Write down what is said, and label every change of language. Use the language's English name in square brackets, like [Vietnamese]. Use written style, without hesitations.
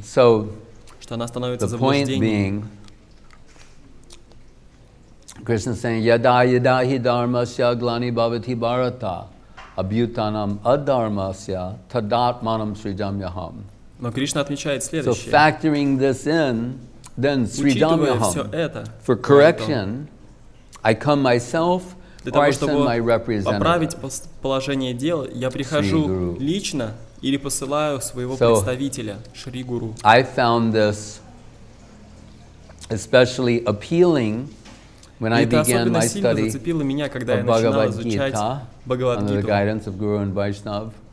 [English] so, [Russian] что она становится заблуждением. [Sanskrit] Krishna saying yada yada hi dharmasya glani bhavati bharata abhyutanam adharmasya tadatmanam srijamyaham. [Russian] Но Кришна отмечает следующее. [English] So factoring this in, then srijamyaham, for correction, I come myself or I send my representative. [Russian] Для того, чтобы поправить положение дел, я прихожу лично или посылаю своего представителя, Шри Гуру. [English] I found this especially appealing when I began my study of Bhagavad Gita under the guidance of Guru and Vaishnav,